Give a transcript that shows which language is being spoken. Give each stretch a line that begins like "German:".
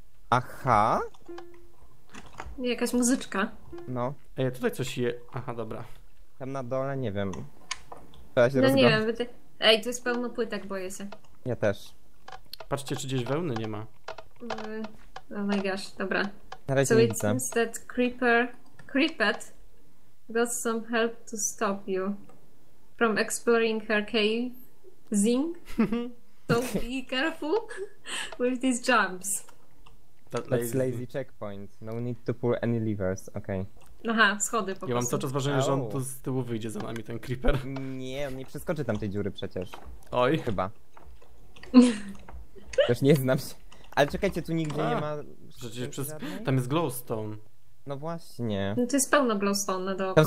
Polish: Aha. Jakaś muzyczka. No. Ej, tutaj coś je, aha, dobra. Tam na dole, nie wiem. Ja się no rozgrywam. Nie wiem, ej, tu jest pełno płytek, boję się. Ja też. Patrzcie, czy gdzieś wełny nie ma.
English: Oh my gosh, dobra.
Polish: Na razie
English: so
Polish: nie
English: it
Polish: widzę.
English: Seems that Creepet got some help to stop you from exploring her cave zing. So be careful with these jumps. That's lazy checkpoint. No need to pull any levers, okay.
Polish: Aha, schody po prostu. Ja mam cały czas wrażenie, że on tu z tyłu wyjdzie za nami, ten creeper. Nie, on nie przeskoczy tam tej dziury przecież. Oj. Chyba. Też nie znam się. Ale czekajcie, tu nigdzie nie ma... Przecież przez... Tam jest glowstone. No właśnie. No to jest pełno glowstone na dookoła.